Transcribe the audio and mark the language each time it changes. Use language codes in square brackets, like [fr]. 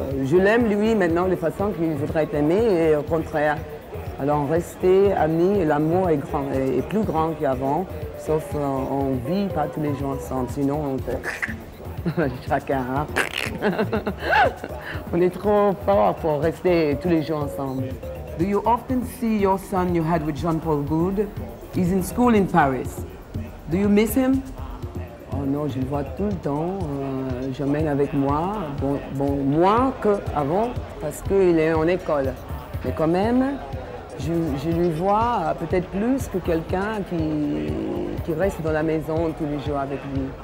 [fr] Je l'aime lui maintenant de façon qu'il voudrait être aimé et au contraire. Alors, rester amis, l'amour est grand, est plus grand qu'avant. Sauf on ne vit pas tous les jours ensemble. Sinon, on fait chacun. Hein? On est trop fort pour rester tous les jours ensemble. [en] Do you often see your son you had with Jean-Paul Gould? He's in school in Paris. Do you miss him? [fr] Oh non, je le vois tout le temps. Je mène avec moi. Bon, moins qu'avant, parce qu'il est en école. Mais quand même, je lui vois peut-être plus que quelqu'un qui reste dans la maison tous les jours avec lui.